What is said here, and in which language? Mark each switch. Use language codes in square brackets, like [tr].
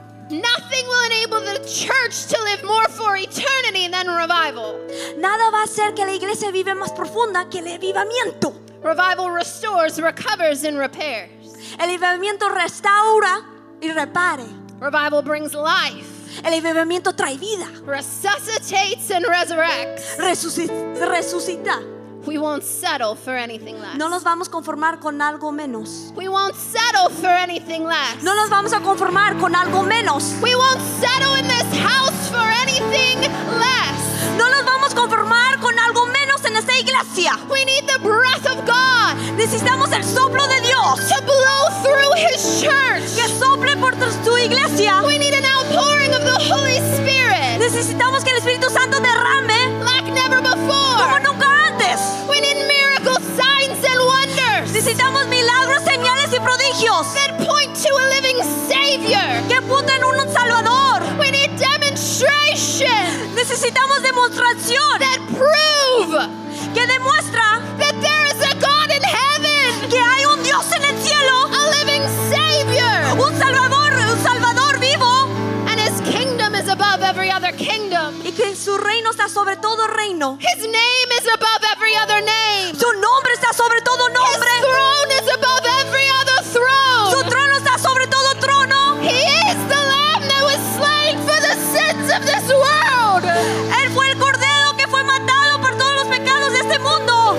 [en] Nothing will enable the church to live more for eternity than revival. [es] Nada va a hacer que la iglesia viva más profunda que el avivamiento. [en] Revival restores, recovers, and repairs. [es] El avivamiento restaura y repare. [en] Revival brings life. [es] El avivamiento trae vida. [en] Resuscitates and resurrects. [es] Resucita. [en] We won't settle for anything less. [es] No nos vamos a conformar con algo menos. [en] We won't settle for anything less. [es] No nos vamos a conformar con algo menos. [en] We won't settle in this house for anything less. [es] No nos vamos a conformar con algo menos en esta iglesia. [en] We need the breath of God. [es] Necesitamos el soplo de Dios. [en] To blow through His church. [es] Que sople por tu iglesia. [en] We need an outpouring of the Holy Spirit. [es] Necesitamos que el Espíritu Santo derrame. [en] Like never before. [es] Como nunca. [en] We need miracles, signs, and wonders. [es] Necesitamos milagros, señales y prodigios. [en] That point to a living Savior. [es] Que apunten a un Salvador. [en] We need demonstration. [es] Necesitamos demostración. [en] That prove. [es] Que demuestra. [en] That there is a God in heaven. [es] Que hay un Dios en el cielo. [en] A living Savior. [es] Un Salvador, vivo. [en] And His kingdom is above every other kingdom. [es] Y que su reino está sobre todo reino. [en] His name is above every other name. [es] Su nombre está sobre todo nombre. [en] His throne is above every other throne. [es] Su trono está sobre todo trono. [en] He is the Lamb that was slain for the sins of this world. [es] Él fue el cordero que fue matado por todos los pecados de este mundo.